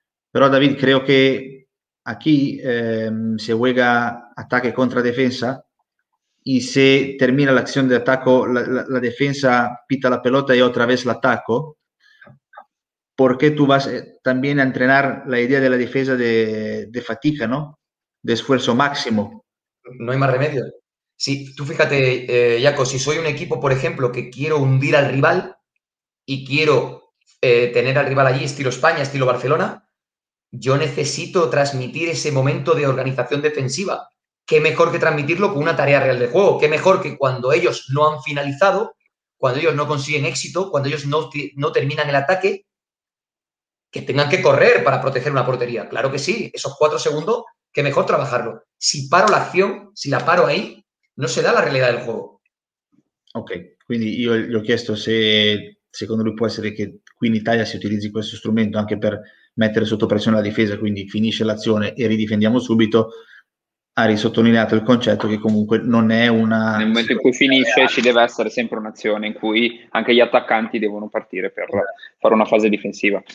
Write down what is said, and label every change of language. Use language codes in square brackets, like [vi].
[it] Però David, credo che a chi [es] se juega [it] attacco e contro difesa, e se termina l'azione di attacco la difesa [es] pita la pelota [it] e io attraverso l'attacco, perché tu [es] vas también a entrenar [it] la idea della difesa de fatica, no? [es] De esfuerzo máximo. No hay más remedio. Sí, tú fíjate, Jaco, si soy un equipo, por ejemplo, que quiero hundir al rival y quiero tener al rival allí estilo España, estilo Barcelona, yo necesito transmitir ese momento de organización defensiva. ¿Qué mejor que transmitirlo con una tarea real de juego? ¿Qué mejor que cuando ellos no han finalizado, cuando ellos no consiguen éxito, cuando ellos no terminan el ataque, que tengan que correr para proteger una portería. Claro que sí, esos 4 segundos, qué mejor trabajarlo. Si paro la acción, si la paro ahí, no se da la realidad del juego. [it] Ok, quindi io gli ho chiesto se secondo lui può essere che qui in Italia si utilizzi questo strumento anche per mettere sotto pressione la difesa, quindi finisce l'azione e ridifendiamo subito. Ha risottolineato il concetto che comunque non è una... Nel momento in cui finisce ci deve essere sempre un'azione in cui anche gli attaccanti devono partire per fare una fase difensiva.